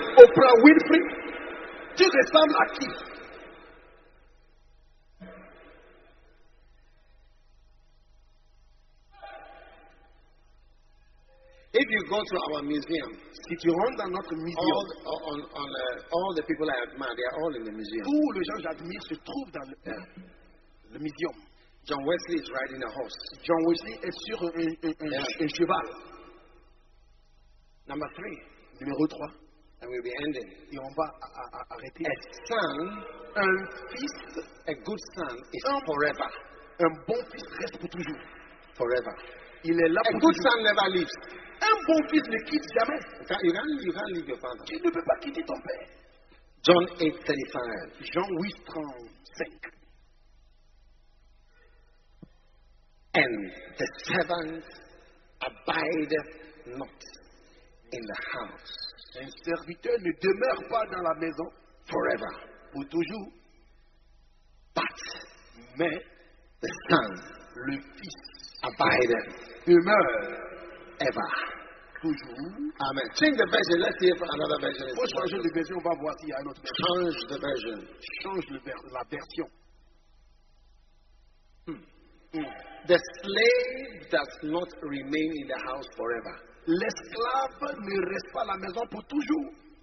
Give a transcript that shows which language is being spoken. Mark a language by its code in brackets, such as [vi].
[fr] Oprah Winfrey? Tu ressembles à qui? [en] If you go to our museum, [fr] si tu rentres dans notre musée, [en] all the people I admire, they are all in the museum. [fr] Tous les gens j'admire se trouvent dans le museum. [en] John Wesley is riding a horse. [fr] John Wesley est sur un cheval. [en] Number three. [fr] Numéro 3. [en] And we'll be ending. [fr] Et on va arrêter. [en] A son, [fr] un fils, [en] a good son is forever. [fr] Un bon fils reste pour toujours. [en] Forever. [fr] Il est là pour toujours. [en] Good son never leaves. [fr] Un bon fils ne quitte jamais. [en] You can't leave your father. [fr] Tu ne peux pas quitter ton père. [en] John 8:35. [fr] Jean 8:35. [en] And the servant abideth not in the house. [fr] Un serviteur ne demeure pas dans la maison [en] forever. [fr] Pour toujours. [en] But [fr] mais [en] the son, [fr] le fils, [en] abideth, [fr] demeure [en] ever. [fr] Toujours. [en] Amen. Change the version. Let's hear from another version. [fr] Pour changer de version, on va voir s'il y a une autre version. [en] Change the version. [fr] Change la version. [en] The slave does not remain in the house forever. [fr] L'esclave ne reste pas à la maison pour toujours.